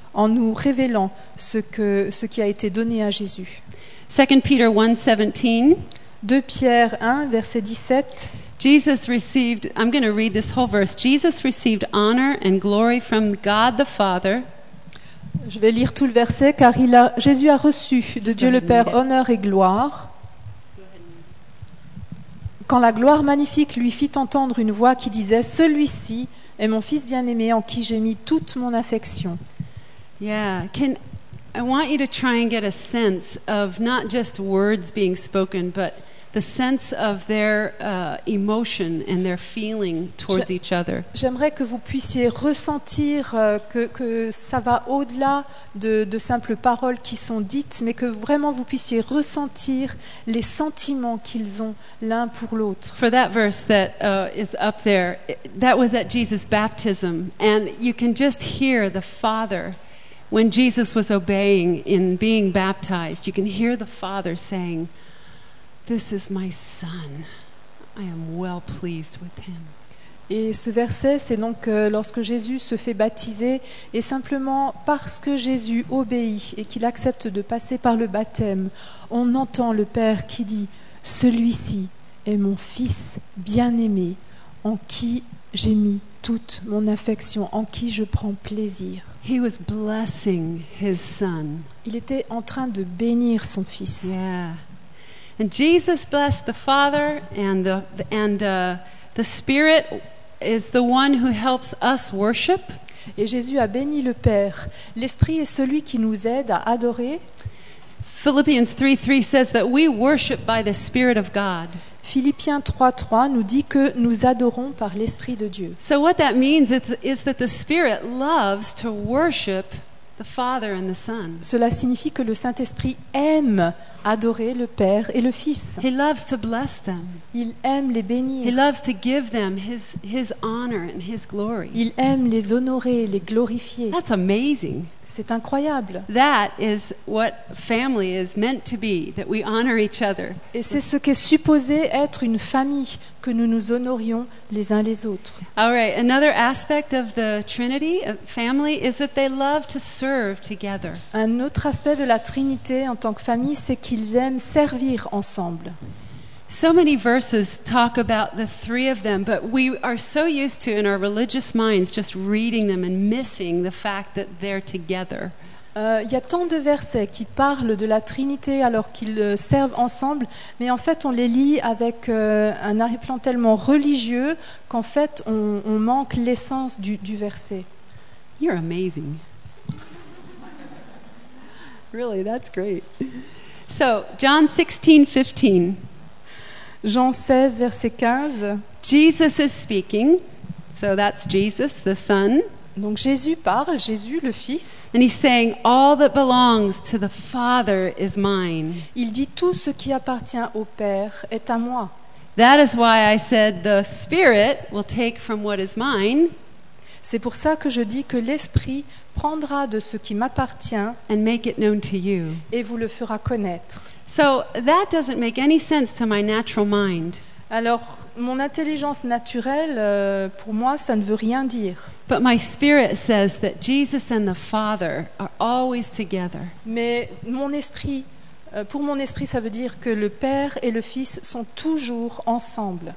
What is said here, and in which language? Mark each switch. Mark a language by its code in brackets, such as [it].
[fr] En nous révélant ce qui a été donné à Jésus. [en] 2 Peter 1:17. [fr] 2 Pierre 1 verset 17. [en] Jesus received, I'm going to read this whole verse. Jesus received honor and glory from God the Father. [fr] Je vais lire tout le verset car Jésus a reçu de Dieu le Père honneur et gloire. Quand la gloire magnifique lui fit entendre une voix qui disait, celui-ci est mon fils bien-aimé en qui j'ai mis toute mon affection. [en] Yeah, I want you to try and get a sense of not just words being spoken, but the sense of their emotion and their feeling towards each other. [fr] J'aimerais que vous puissiez ressentir que ça va au-delà de simples paroles qui sont dites, mais que vraiment vous puissiez ressentir les sentiments qu'ils ont l'un pour l'autre. [en] For that verse that is up there, that was at Jesus' baptism, and you can just hear the Father. When Jesus was obeying in being baptized, you can hear the Father saying, "This is my son. I am well pleased with him." [fr] Et ce verset, c'est donc lorsque Jésus se fait baptiser, et simplement parce que Jésus obéit et qu'il accepte de passer par le baptême, on entend le Père qui dit, "Celui-ci est mon fils bien-aimé, en qui j'ai mis toute mon affection, en qui je prends plaisir." [en] He was blessing his son. [fr] Il était en train de bénir son fils. [en] Yeah. And Jesus blessed the Father and the Spirit is the one who helps us worship. [fr] Et Jésus a béni le Père. L'Esprit est celui qui nous aide à adorer. [en] Philippians 3:3 says that we worship by the Spirit of God. [fr] Philippiens 3:3 nous dit que nous adorons par l'Esprit de Dieu. [en] So what that means is that the Spirit loves to worship the Father and the Son. [fr] Cela signifie que le Saint-Esprit aime adorer le Père et le Fils. [en] He loves to bless them. [fr] Il aime les bénir. [en] He loves to give them his honor and his glory. [fr] Il aime les honorer, les glorifier. [en] That's amazing. [fr] C'est incroyable. [en] That is what family is meant to be, that we honor each other. [fr] Et c'est ce qu'est supposé être une famille, que nous nous honorions les uns les autres. [en] All right, another aspect of the Trinity, family, is that they love to serve together. [fr] Un autre aspect de la Trinité en tant que famille, c'est qu'ils aiment servir ensemble. [en] So many verses talk about the three of them, but we are so used to in our religious minds just reading them and missing the fact that they're together. [fr] Il y a tant de versets qui parlent de la Trinité alors qu'ils servent ensemble, mais en fait on les lit avec un arrière-plan tellement religieux qu'en fait on manque l'essence du verset. [en] You're amazing. Really, that's great. So, John 16:15. [fr] Jean 16, verset 15. [en] Jesus is speaking. So that's Jesus, the Son. [fr] Donc Jésus parle, Jésus le Fils. [en] And he's saying, all that belongs to the Father is mine. [fr] Il dit, tout ce qui appartient au Père est à moi. [en] That is why I said the Spirit will take from what is mine. [fr] C'est pour ça que je dis que l'Esprit prendra de ce qui m'appartient [en] and make it known to you. [fr] Et vous le fera connaître. [en] So that doesn't make any sense to my natural mind. [fr] Alors, mon intelligence naturelle, pour moi, ça ne veut rien dire. [en] But my spirit says that Jesus and the Father are always together. [fr] Mais mon esprit, pour mon esprit, ça veut dire que le Père et le Fils sont toujours ensemble.